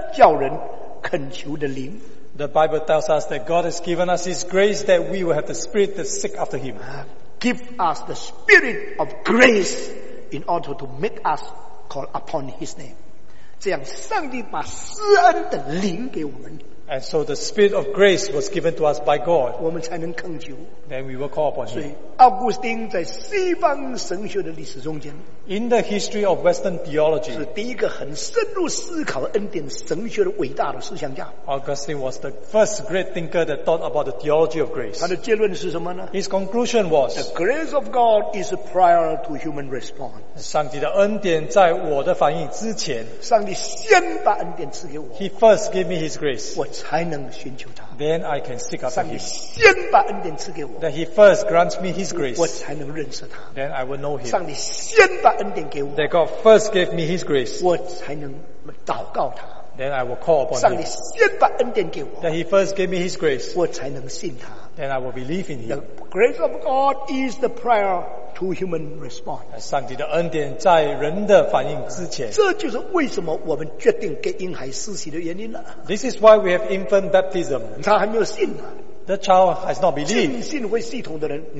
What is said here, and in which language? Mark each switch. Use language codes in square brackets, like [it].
[zh] 圣经说上帝赐下施恩叫人恳求的灵。 [en] The Bible tells us that God has given us his grace that we will have the spirit to seek after him. Give us the spirit of grace in order to make us call upon his name. [zh] 这样上帝把施恩的灵给我们。 [en] And so the spirit of grace was given to us by God. [zh] 我们才能恳求。 [en] Then we will call upon him. [zh] 所以奥古斯丁在西方神学的历史中间， [en] In the history of Western theology, [zh] 是第一个很深入思考恩典神学的伟大的思想家。 [en] Augustine was the first great thinker that thought about the theology of grace. [zh] 他的结论是什么呢？ [en] His conclusion was, the grace of God is prior to human response. [zh] 上帝的恩典在我的反应之前，上帝先把恩典赐给我， [en] He first gave me his grace. [zh] 我才能寻求他。 [en] Then I can seek after him. [zh] 上帝先把恩典赐给我， [en] That he first grants me his grace. [zh] 我才能认识他。 [en] Then I will know him. [zh] 上帝先把恩典给我， [en] That God first gave me his grace. [zh] 我才能祷告他。 [en] Then I will call upon him. [zh] 上帝先把恩典给我， [en] That he first gave me his grace. [zh] 我才能信他。 [en] Then I will believe in him. The grace of God is the prior to human response. [zh] 上帝的恩典在人的反应之前。这就是为什么我们决定给婴孩施洗的原因了。 [en] This is why we have infant baptism. [zh] 他还没有信。 [en] The child has not believed.